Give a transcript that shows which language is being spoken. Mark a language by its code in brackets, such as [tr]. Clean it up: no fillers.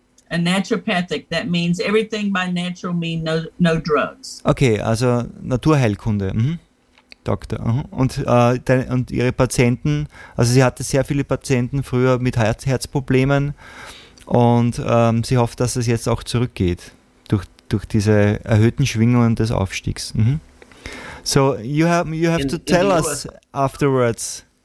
[en] A naturopathic, that means everything by natural means no drugs. [de] Okay, also Naturheilkunde, Doktor. Und ihre Patienten, also sie hatte sehr viele Patienten früher mit Herzproblemen und sie hofft, dass es jetzt auch zurückgeht durch diese erhöhten Schwingungen des Aufstiegs. [en] Mhm. So you have to tell us afterwards